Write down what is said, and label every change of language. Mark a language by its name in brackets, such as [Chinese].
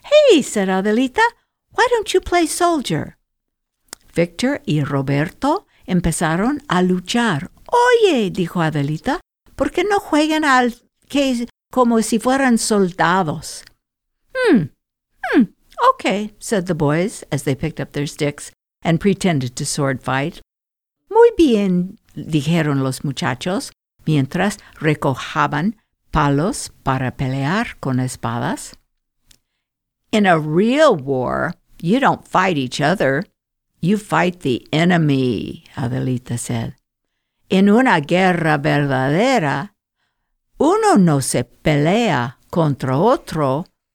[English] Hey, said Adelita, why don't you play soldier? [Spanish] Victor y Roberto empezaron a luchar. Oye, dijo Adelita, ¿por qué no juegan al que como si fueran soldados? [English] Okay, said the boys as they picked up their sticks and pretended to sword fight. [Spanish] Muy bien, dijeron los muchachos. Mientras recojaban palos para pelear con espadas. [English] In a real war, you don't fight each other. You fight the enemy, Adelita said. [Spanish] En una guerra verdadera, uno no se pelea contra otro.